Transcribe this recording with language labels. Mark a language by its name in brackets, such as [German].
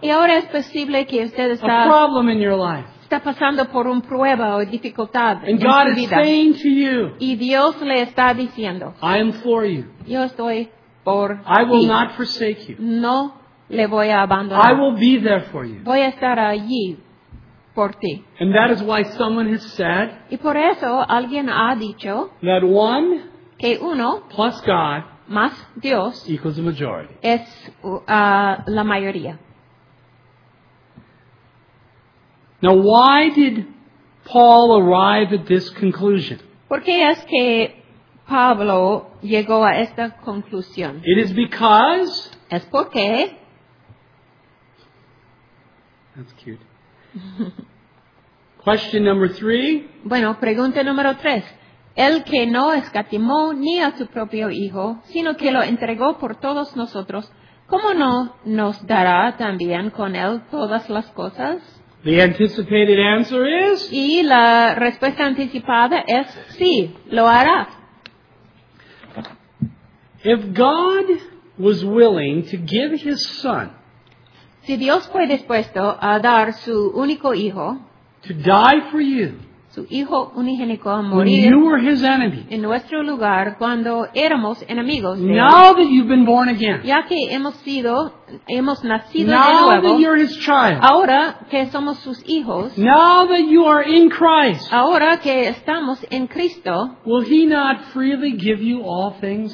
[Spanish] Y ahora es posible que usted está [English] a problem in your life. [Spanish] Está pasando por una prueba o dificultad en su vida. [English] And God is saying to you, [Spanish] y Dios le está diciendo, [English] I am for you. [Spanish] Yo estoy por ti. [English] I will not forsake you. [Spanish] No le voy a abandonar. [English] I will be there for you. [Spanish] Voy a estar allí. Por ti. [English] And that is why someone has said [Spanish] y por eso alguien ha dicho [English] that one [Spanish] que uno [English] plus God [Spanish] más Dios [English] equals the majority. [Spanish] Es la mayoría. [English] Now, why did Paul arrive at this conclusion? [Spanish] ¿Por qué es que Pablo llegó a esta conclusión? [English] It is because [Spanish] es porque [English] that's cute. Question number three. [Spanish] Bueno, pregunta número tres. El que no escatimó ni a su propio hijo, sino que lo entregó por todos nosotros, ¿cómo no nos dará también con él todas las cosas? [English] The anticipated answer is. [Spanish] Y la respuesta anticipada es sí, lo hará. [English] If God was willing to give his son. [Spanish] Si Dios fue dispuesto a dar su único hijo, [English] to die for you, [Spanish] su hijo unigénito a morir, [English] when you were his enemy, [Spanish] en nuestro lugar cuando éramos enemigos, de [English] now that you've been born again, [Spanish] ya que hemos nacido [English] now [Spanish] de nuevo, [English] that you're his child, [Spanish] ahora que somos sus hijos, [English] now that you are in Christ, [Spanish] ahora que estamos en Cristo, [English] will he not freely give you all things